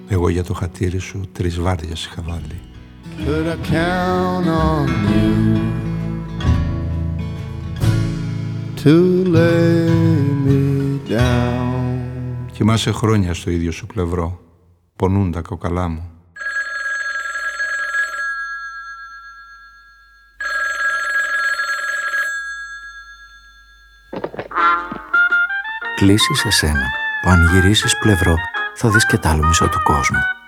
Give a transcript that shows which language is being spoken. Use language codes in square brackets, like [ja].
[el] Για το χατήρι σου τρεις βάρδιες είχα βάλει. [en] Could I count on you to lay me down? [el] Κοιμάσαι χρόνια στο ίδιο σου πλευρό. Πονούν τα κοκαλά μου. Κλείσεις εσένα που αν γυρίσεις πλευρό θα δεις και τ' άλλο μισό του κόσμου.